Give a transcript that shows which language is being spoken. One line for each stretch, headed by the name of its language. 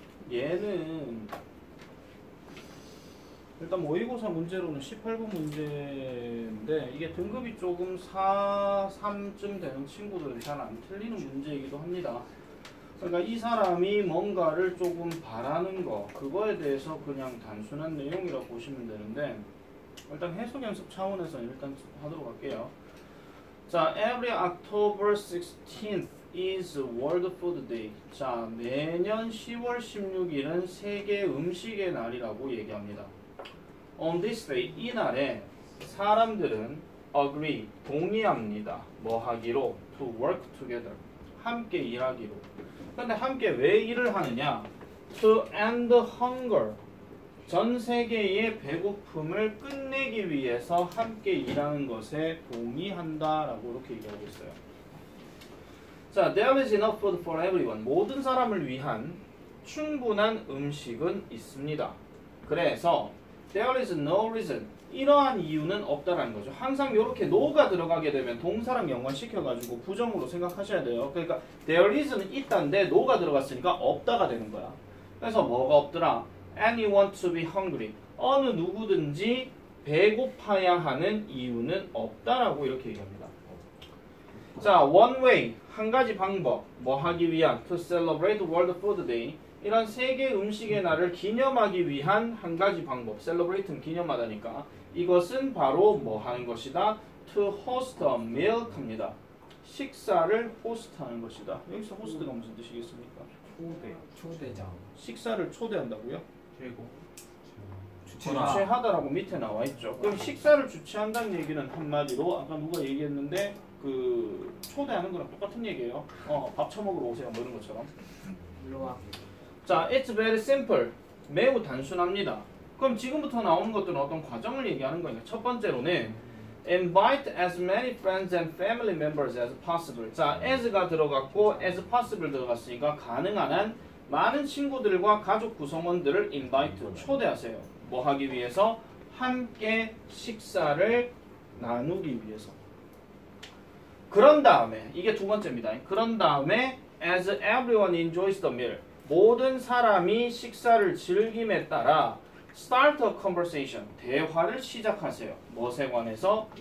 Korean: 얘는 일단 모의고사 문제로는 18번 문제인데 이게 등급이 조금 4, 3쯤 되는 친구들은 잘안 틀리는 문제이기도 합니다. 그러니까 이 사람이 뭔가를 조금 바라는 거, 그거에 대해서 그냥 단순한 내용이라고 보시면 되는데 일단 해석 연습 차원에서 일단 하도록 할게요.
English: 자, every October 16th is World Food Day.
Korean: 자, 매년 10월 16일은 세계 음식의 날이라고 얘기합니다.
English: On this day,
Korean: 이날에 사람들은 agree, 동의합니다. 뭐 하기로?
English: To work together.
Korean: 함께 일하기로. 근데 함께 왜 일을 하느냐?
English: To end hunger.
Korean: 전 세계의 배고픔을 끝내기 위해서 함께 일하는 것에 동의한다라고 이렇게 얘기하고 있어요.
English: 자, there is enough food for everyone.
Korean: 모든 사람을 위한 충분한 음식은 있습니다.
English: 그래서 there is no reason.
Korean: 이러한 이유는 없다라는 거죠. 항상 이렇게 no가 들어가게 되면 동사랑 연관시켜가지고 부정으로 생각하셔야 돼요. 그러니까 there is는 있다인데 no가 들어갔으니까 없다가 되는 거야. 그래서 뭐가 없더라?
English: Anyone to be hungry.
Korean: 어느 누구든지 배고파야 하는 이유는 없다라고 이렇게 얘기합니다. 자, one way. 한 가지 방법. 뭐 하기 위한?
English: To celebrate World Food Day.
Korean: 이런 세계 음식의 날을 기념하기 위한 한 가지 방법. Celebrate는 기념하다니까. 이것은 바로 뭐 하는 것이다?
English: To host a meal
Korean: 합니다. 식사를 호스트 하는 것이다. 여기서 호스트가 무슨 뜻이겠습니까? 초대장. 식사를 초대한다고요? 최고. 주최하다라고 밑에 나와 있죠. 그럼 식사를 주최한다는 얘기는 한마디로 아까 누가 얘기했는데 그 초대하는 거랑 똑같은 얘기예요. 밥 처먹으러 오세요. 뭐 이런 것처럼. 일로 와.
English: 자, it's very simple.
Korean: 매우 단순합니다. 그럼 지금부터 나오는 것들은 어떤 과정을 얘기하는 거냐? 첫 번째로는
English: invite as many friends and family members as possible.
Korean: 자, as가 들어갔고 as possible 들어갔으니까 가능한 한 많은 친구들과 가족 구성원들을 invite, 초대하세요. 뭐 하기 위해서? 함께 식사를 나누기 위해서. 그런 다음에, 이게 두 번째입니다. 그런 다음에,
English: as everyone enjoys the meal,
Korean: 모든 사람이 식사를 즐김에 따라
English: start a conversation,
Korean: 대화를 시작하세요. 무엇에 관해서?